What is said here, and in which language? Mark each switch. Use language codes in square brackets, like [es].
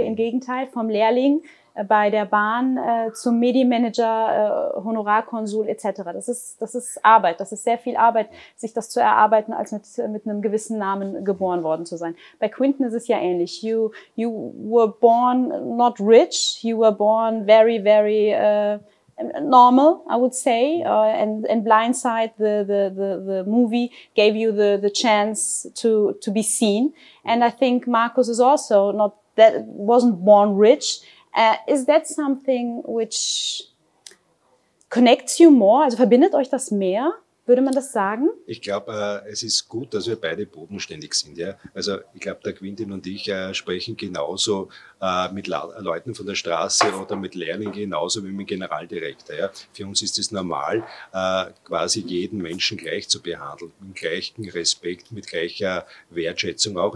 [de] Im Gegenteil, vom Lehrling bei der Bahn zum Medienmanager, Honorarkonsul etc. Das ist Arbeit. Das ist sehr viel Arbeit, sich das zu erarbeiten, als mit einem gewissen Namen geboren worden zu sein. Bei Quintin ist es ja ähnlich. [en] You were born not rich. You were born very, very normal, I would say, and Blindside, the movie, gave you the chance to be seen. And I think Markus is also not that wasn't born rich. Is that something which connects you more? [de] Also verbindet euch das mehr? Würde man das sagen? Ich glaube, es ist gut, dass wir beide bodenständig sind. Ja? Also ich glaube, der Quintin und ich sprechen genauso mit Leuten von der Straße oder mit Lehrlingen genauso wie mit dem Generaldirektor. Ja? Für uns ist es normal, quasi jeden Menschen gleich zu behandeln, mit gleichem Respekt, mit gleicher Wertschätzung auch.